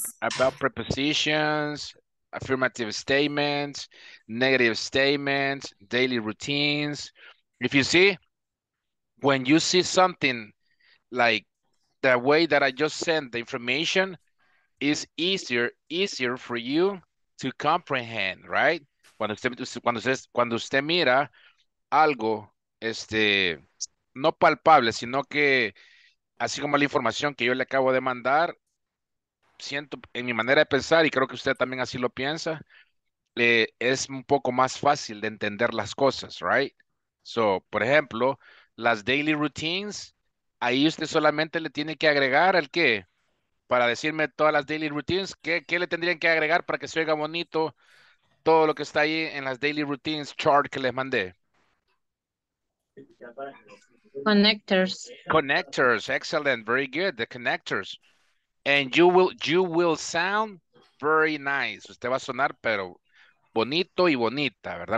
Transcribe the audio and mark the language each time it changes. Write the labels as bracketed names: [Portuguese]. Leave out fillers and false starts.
[English] about prepositions, affirmative statements, negative statements, daily routines. If you see, when you see something like the way that I just sent the information, it's easier for you to comprehend, right? [Spanish] Cuando usted mira algo, no palpable, sino que así como la información que yo le acabo de mandar, siento en mi manera de pensar, y creo que usted también así lo piensa, es un poco más fácil de entender las cosas, right? So, por ejemplo, las daily routines, ahí usted solamente le tiene que agregar el qué. Para decirme todas las daily routines, ¿qué le tendrían que agregar para que se oiga bonito todo lo que está ahí en las daily routines chart que les mandé? [English] Connectors. Connectors, excellent, very good. The connectors, and you will sound very nice. [Spanish] Usted va a sonar, pero bonito y bonita, ¿verdad?